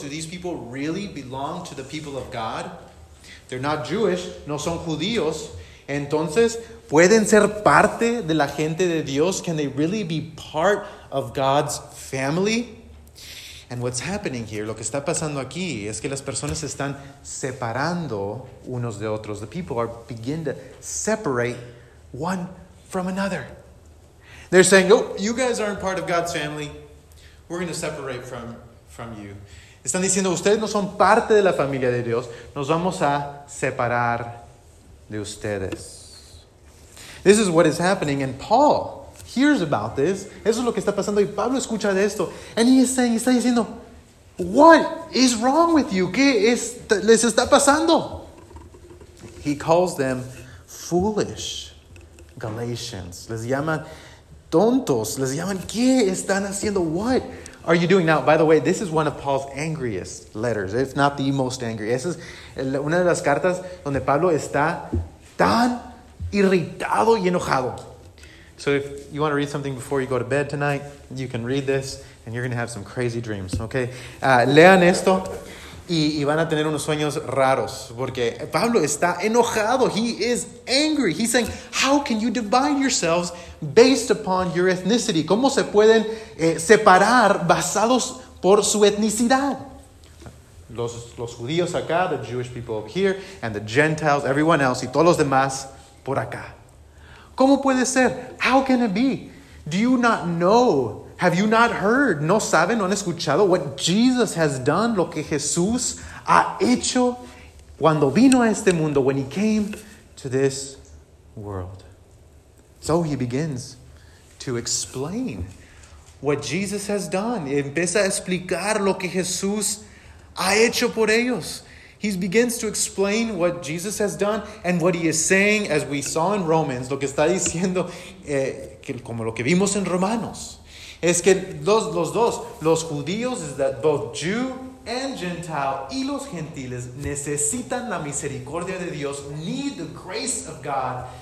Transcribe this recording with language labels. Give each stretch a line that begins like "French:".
English: Do these people really belong to the people of God? They're not Jewish,
Spanish: no son judíos. Entonces, ¿pueden ser parte de la gente de Dios?
English: Can they really be part of God's family? And what's happening here,
Spanish: lo que está pasando aquí, es que las personas están separando unos de otros.
English: The people are begin to separate one from another. They're saying, oh, you guys aren't part of God's family. We're going to separate from you.
Spanish: Están diciendo, ustedes no son parte de la familia de Dios. Nos vamos a separar de ustedes.
English: This is what is happening. And Paul hears about this.
Spanish: Eso es lo que está pasando. Y Pablo escucha de esto.
English: And he is saying,
Spanish: está diciendo,
English: What is wrong with you?
Spanish: ¿Qué es, les está pasando?
English: He calls them foolish Galatians.
Spanish: Les llama tontos. Les llaman, ¿qué están haciendo?
English: What are you doing? Now, by the way, this is one of Paul's angriest letters, if not the most angry.
Spanish: Esa es una de las cartas donde Pablo está tan irritado y enojado.
English: So if you want to read something before you go to bed tonight, you can read this and you're going to have some crazy dreams, okay?
Spanish: Lean esto y van a tener unos sueños raros porque Pablo está enojado.
English: He is angry. He's saying, how can you divide yourselves based upon your ethnicity?
Spanish: ¿Cómo se pueden separar basados por su etnicidad? Los judíos acá,
English: the Jewish people over here, and the Gentiles, everyone else,
Spanish: y todos los demás por acá. ¿Cómo puede ser?
English: How can it be? Do you not know? Have you not heard?
Spanish: ¿No saben? ¿No han escuchado?
English: What Jesus has done,
Spanish: lo que Jesús ha hecho cuando vino a este mundo,
English: when he came to this world. So he begins to explain what Jesus has done.
Spanish: Empieza a explicar lo que Jesús ha hecho por ellos.
English: He begins to explain what Jesus has done and what he is saying, as we saw in Romans,
Spanish: lo que está diciendo, que, como lo que vimos en Romanos. Es que los judíos,
English: is that both Jew and Gentile,
Spanish: y los gentiles, necesitan la misericordia de Dios,
English: need the grace of God.